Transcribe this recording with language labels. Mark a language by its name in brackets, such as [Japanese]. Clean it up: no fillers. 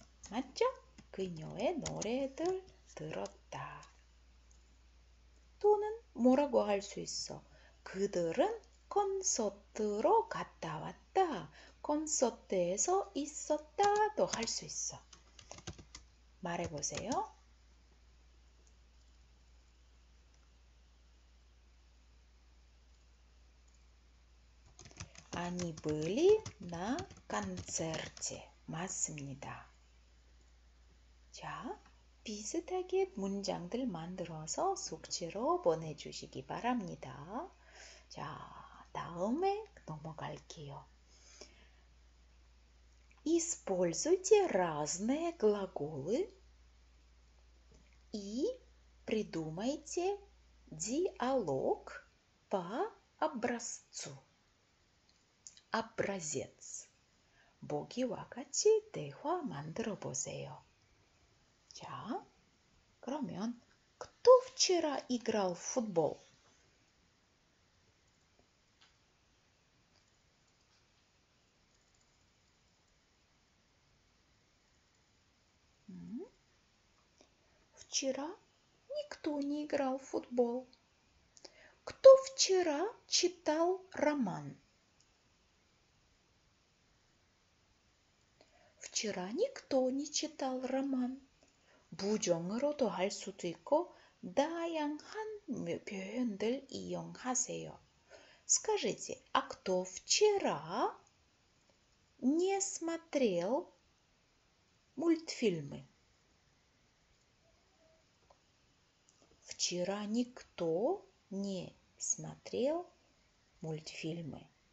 [Korean] Матча, кыньоэ норедл дырота. Тунын. 뭐라고 할 수 있어? 그들은 콘서트로 갔다 왔다. 콘서트에서 있었다도 할 수 있어. 말해 보세요. 아니, [Russian] были на концерте. [Korean] 맞습니다. 자, 비슷하게 문장들 만들어서 숙제로 보내주시기 바랍니다. 자, 다음에 넘어갈게요. [Russian] Используйте разные глаголы и придумайте диалог по образцу. Образец. [Korean] 보기와 같이 대화 만들어 보세요. 자, 그러면 [Russian] кто вчера играл в футбол? �чера никто не играл в футбол. Кто вчера читал роман? Вчера никто не читал роман. [Korean] 부정으로도 할 수도 있고 다양한 표현들 이용하세요. [Russian] Скажите, а кто вчера не смотрел мультфильмы? Вчера никто не смотрел мультфильмы.